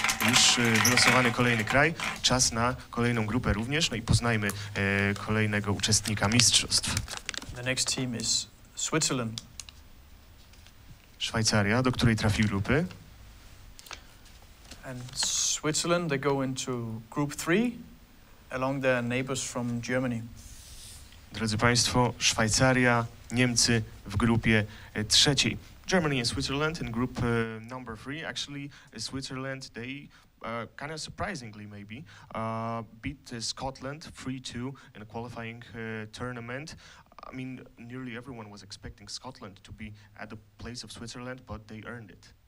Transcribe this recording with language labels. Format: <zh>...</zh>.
<pl>Już wylosowany kolejny kraj, czas na kolejną grupę również. No i poznajmy kolejnego uczestnika mistrzostw.</pl> <en>The next team is Switzerland.</en> <pl>Szwajcaria, do której trafi grupy.</pl> <en>And Switzerland, they go into group 3 along their neighbors from Germany.</en> <pl>Drodzy Państwo, Szwajcaria, Niemcy w grupie trzeciej.</pl> <en>Germany and Switzerland in group number 3. Actually, Switzerland, they kind of surprisingly maybe beat Scotland 3-2 in a qualifying tournament. I mean, nearly everyone was expecting Scotland to be at the place of Switzerland, but they earned it.</en>